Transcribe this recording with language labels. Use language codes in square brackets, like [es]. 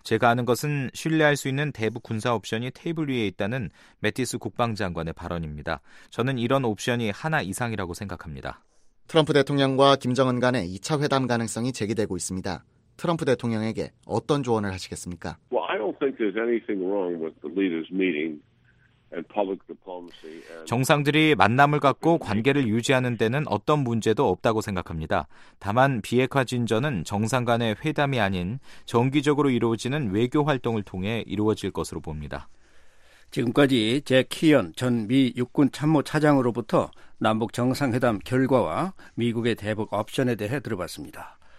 [ko] 제가 아는 것은 신뢰할 수 있는 대북 군사 옵션이 테이블 위에 있다는 매티스 국방장관의 발언입니다. 저는 이런 옵션이 하나 이상이라고 생각합니다. 트럼프 대통령과 김정은 간의 2차 회담 가능성이 제기되고 있습니다. 트럼프 대통령에게 어떤 조언을 하시겠습니까? [en] Well, I don't think there's anything wrong with the leaders meeting and public diplomacy. [ko] 정상들이 만남을 갖고 관계를 유지하는 데는 어떤 문제도 없다고 생각합니다. 다만 비핵화 진전은 정상 간의 회담이 아닌 정기적으로 이루어지는 외교 활동을 통해 이루어질 것으로 봅니다. 지금까지 잭 키언 전 미 육군 참모 차장으로부터 남북 정상회담 결과와 미국의 대북 옵션에 대해 들어봤습니다.